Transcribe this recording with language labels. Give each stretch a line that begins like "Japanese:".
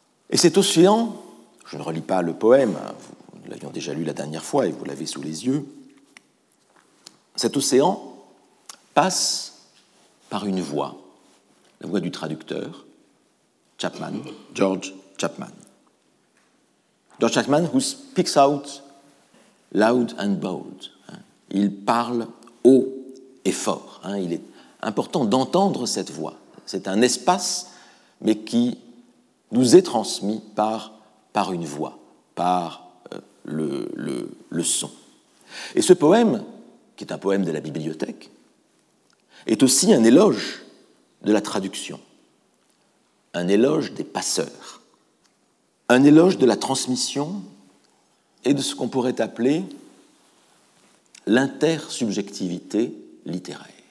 French: Et cet océan, je ne relis pas le poème, nous l'avions déjà lu la dernière fois et vous l'avez sous les yeux, cet océan passe par une voix, la voix du traducteur, Chapman, George Chapman.
English: George Chapman, who speaks out loud and bold.
French: Il parle haut et fort. Il est important d'entendre cette voix. C'est un espace, mais qui nous est transmis par une voix, par le son. Et ce poème, qui est un poème de la bibliothèque, est aussi un éloge de la traduction, un éloge des passeurs, un éloge de la transmission et de ce qu'on pourrait appeler l'intersubjectivité littéraire.